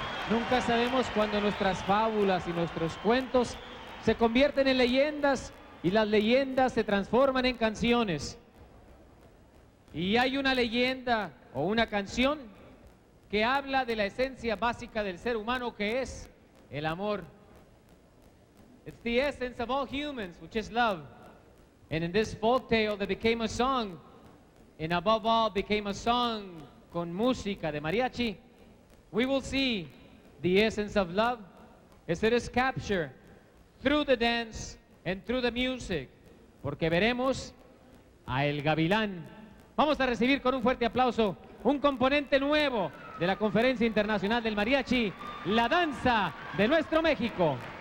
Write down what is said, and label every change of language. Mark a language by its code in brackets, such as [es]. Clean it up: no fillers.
[es] Nunca sabemos cuándo nuestras fábulas y nuestros cuentos se convierten en leyendas y las leyendas se transforman en canciones. Y hay una leyenda o una canción que habla de la esencia básica del ser humano, que es el amor. [en] It's the essence of all humans, which is love. And in this folk tale that became a song, and above all became a song [es] con música de mariachi, [en] we will see the essence of love as it is captured through the dance and through the music, [es] porque veremos a El Gavilán. Vamos a recibir con un fuerte aplauso un componente nuevo de la Conferencia Internacional del Mariachi, la danza de nuestro México.